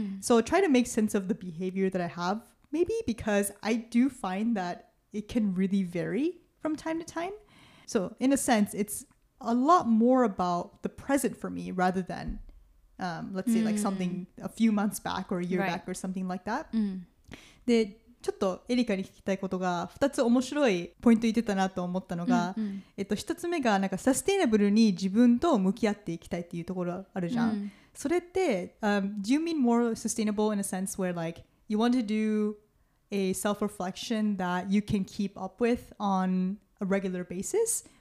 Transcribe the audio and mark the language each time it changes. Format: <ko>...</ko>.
<en>So I try to make sense of the behavior that I have, maybe, because I do find that it can really vary from time to time. So in a sense, it's a lot more about the present for me rather than, let's say, like something a few months back or a year back or something like that.</en> <ja>で、ちょっとエリカに聞きたいことが2つ面白いポイント言ってたなと思ったのが、1つ目がなんかサステイナブルに自分と向き合っていきたいっていうところあるじゃん。それって、</ja> <en>Do you mean more sustainable in a sense where like you want to do a self-reflection that you can keep up with on a regular basis?</en>